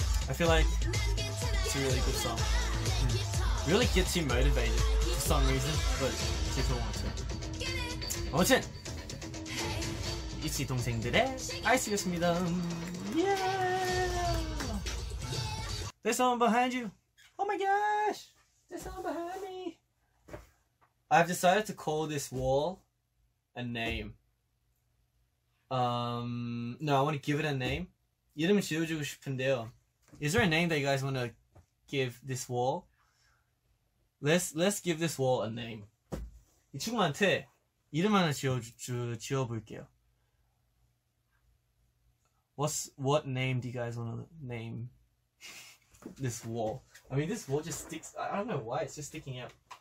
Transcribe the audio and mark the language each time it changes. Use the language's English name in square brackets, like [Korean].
[English] I feel like it's a really good song. Really gets you motivated for some reason, but people want to. [Korean] 아무튼 이치 동생들의 아이스였습니다. [English] Yeah. There's someone behind you. Oh my gosh. There's someone behind me. I've decided to call this wall a name. No, I want to give it a name. [Korean] 이름을 지어주고 싶은데요. [English] Is there a name that you guys want to give this wall? Let's give this wall a name. [Korean] 이 친구한테 이름 하나 지어볼게요. [English] What name do you guys want to name this wall? I mean, this wall just sticks. I don't know why it's just sticking out.